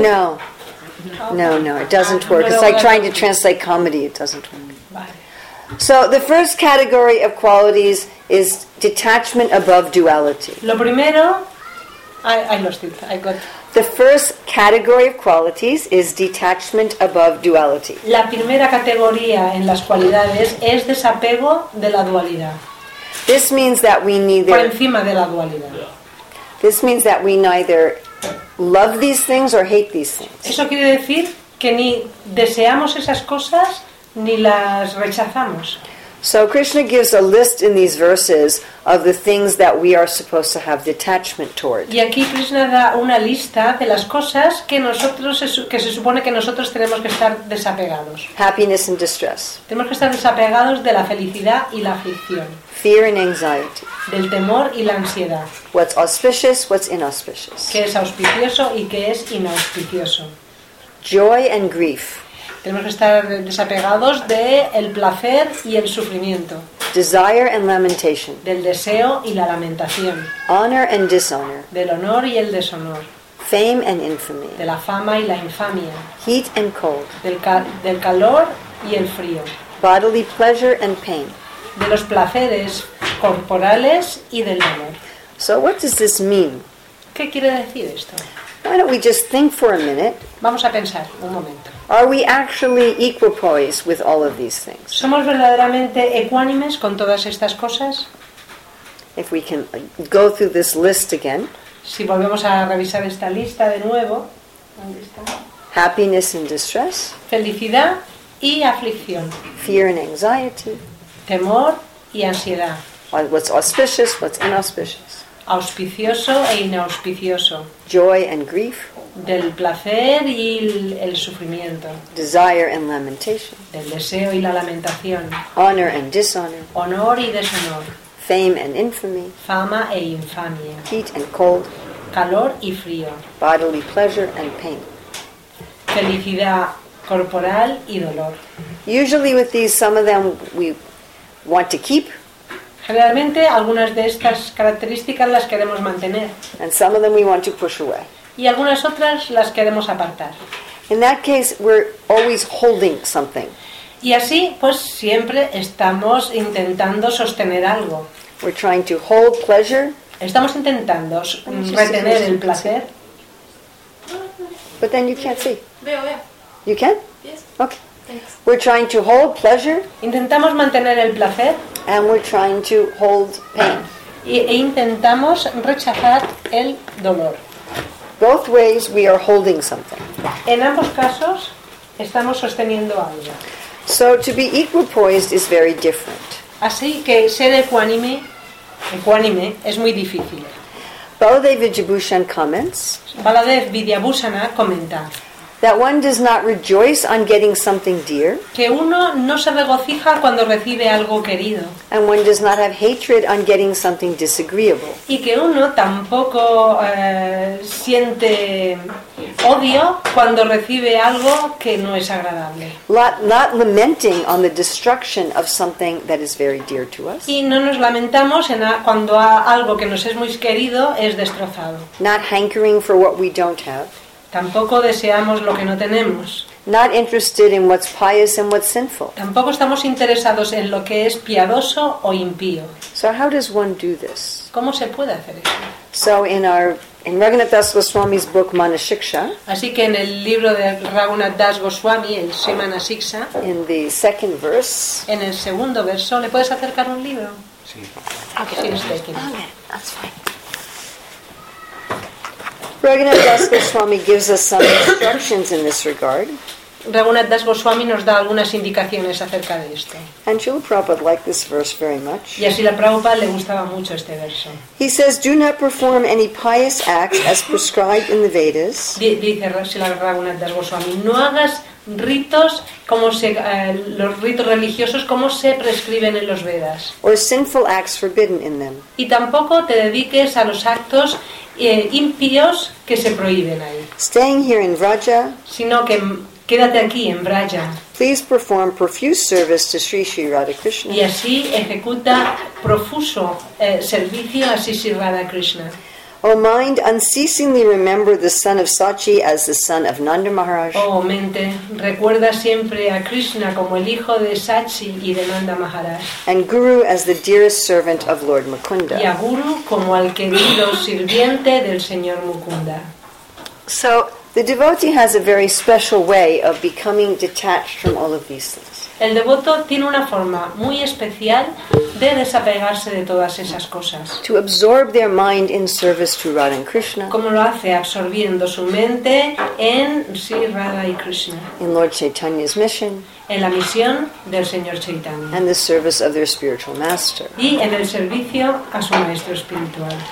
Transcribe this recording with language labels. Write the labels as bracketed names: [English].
[English] No. No, it doesn't work. It's like trying to translate comedy. It doesn't work. So the first category of qualities is detachment above duality. [Spanish] Lo primero... [English] I lost it. I got it. The first category of qualities is detachment above duality. [Spanish] La primera categoría en las cualidades es desapego de la dualidad. [English] This means that we neither... [Spanish] Por encima de la dualidad. [English] This means that we neither love these things or hate these things. [Spanish] Eso quiere decir que ni deseamos esas cosas ni las rechazamos. [English] So Krishna gives a list in these verses of the things that we are supposed to have detachment toward. [Spanish] Y aquí Krishna da una lista de las cosas que nosotros que se supone que nosotros tenemos que estar desapegados. [English] Happiness and distress. [Spanish] Tenemos que estar desapegados de la felicidad y la aflicción. [English] Fear and anxiety. [Spanish] Del temor y la ansiedad. [English] What's auspicious, what's inauspicious. [Spanish] Qué es auspicioso y qué es inauspicioso. [English] Joy and grief. [Spanish] Tenemos que estar desapegados de el placer y el sufrimiento. [English] Desire and lamentation. [Spanish] Del deseo y la lamentación. [English] Honor and dishonor. [Spanish] Del honor y el deshonor. [English] Fame and infamy. [Spanish] De la fama y la infamia. [English] Heat and cold. [Spanish] Del calor y el frío. [English] Bodily pleasure and pain. [Spanish] De los placeres corporales y del dolor. [English] So what does this mean? [Spanish] ¿Qué quiere decir esto? [English] Why don't we just think for a minute? [Spanish] Vamos a pensar un momento. [English] Are we actually equipoise with all of these things? [Spanish] ¿Somos verdaderamente ecuánimes con todas estas cosas? [English] If we can go through this list again. [Spanish] Si volvemos a revisar esta lista de nuevo. ¿Dónde está? [English] Happiness and distress. [Spanish] Felicidad y aflicción. [English] Fear and anxiety. [Spanish] Temor y ansiedad. [English] What's auspicious, what's inauspicious. [Spanish] Auspicioso e inauspicioso. [English] Joy and grief. [Spanish] Del placer y el sufrimiento. [English] Desire and lamentation. [Spanish] Del deseo y la lamentación. [English] Honor and dishonor. [Spanish] Honor y deshonor. [English] Fame and infamy. [Spanish] Fama e infamia. [English] Heat and cold. [Spanish] Calor y frío. [English] Bodily pleasure and pain. [Spanish] Felicidad corporal y dolor. [English] Usually with these, some of them we want to keep. [Spanish] Generalmente algunas de estas características las queremos mantener. [English] And some of them we want to push away. [Spanish] Y algunas otras las queremos apartar. [English] In that case, we're always holding something. [Spanish] Y así, pues siempre estamos intentando sostener algo. [English] We're trying to hold pleasure. [Spanish] Estamos intentando retener el placer. [English] But then you can't see. [Spanish] Veo. [English] You can? Yes. Okay. We're trying to hold pleasure. [Spanish] Intentamos mantener el placer. [English] And we're trying to hold pain. [Spanish] E intentamos rechazar el dolor. [English] Both ways we are holding something. [Spanish] En ambos casos estamos sosteniendo algo. [English] So to be equipoised is very different. [Spanish] Así que ser ecuánime es muy difícil. [English] Baladev Vidyabhushan comments. [Spanish] Baladev Vidyabhushana comenta. [English] That one does not rejoice on getting something dear. [Spanish] Que uno no se regocija cuando recibe algo querido. [English] And one does not have hatred on getting something disagreeable. [Spanish] Y que uno tampoco siente odio cuando recibe algo que no es agradable. [English] Not lamenting on the destruction of something that is very dear to us. [Spanish] Y no nos lamentamos cuando algo que nos es muy querido es destrozado. [English] Not hankering for what we don't have. [Spanish] Tampoco deseamos lo que no tenemos. [English] Not interested in what's pious and what's sinful. [Spanish] Tampoco estamos interesados en lo que es piadoso o impío. [English] So how does one do this? [Spanish] ¿Cómo se puede hacer eso? [English] So in Raghunath Das Goswami's book Manasiksha. [Spanish] Así que en el libro de Raghunath Das Goswami, el Manasiksha. [English] In the second verse. [Spanish] En el segundo verso, ¿le puedes acercar un libro? Sí. [English] Okay, that's fine. Raghunath Das Goswami gives us some instructions in this regard. [Spanish] Raghunath Das Goswami nos da algunas indicaciones acerca de esto. [English] And Srila Prabhupada liked this verse very much. [Spanish] Y así la Prabhupada le gustaba mucho este verso. [English] He says, "Do not perform any pious act as prescribed in the Vedas." [Spanish] Dice Raghunath Das Goswami, "No hagas ritos como los ritos religiosos como se prescriben en los Vedas." [English] Or sinful acts forbidden in them. [Spanish] Y tampoco te dediques a los actos impíos que se prohíben ahí. [English] Staying here in Vraja, [Spanish] sino que quédate aquí en Vraja. [English] Please perform profuse service to Sri Sri Radha Krishna. [Spanish] Y así ejecuta profuso servicio a Sri Sri Radha Krishna. [English] O mind, unceasingly remember the son of Sachi as the son of Nanda Maharaj. [Spanish] Oh mente, recuerda siempre a Krishna como el hijo de Sachi y de Nanda Maharaj. [English] And Guru as the dearest servant of Lord Mukunda. [Spanish] Y a Guru como al querido sirviente del señor Mukunda. [English] So the devotee has a very special way of becoming detached from all of these things. [Spanish] El devoto tiene una forma muy especial de desapegarse de todas esas cosas. [English] To absorb their mind in service to Radha and Krishna. [Spanish] Como lo hace absorbiendo su mente en Sri Radha y Krishna. [English] In Lord Chaitanya's mission. [Spanish] En la misión del señor Chaitanya. [English] And the service of their spiritual master. [Spanish] Y en el servicio a su maestro espiritual.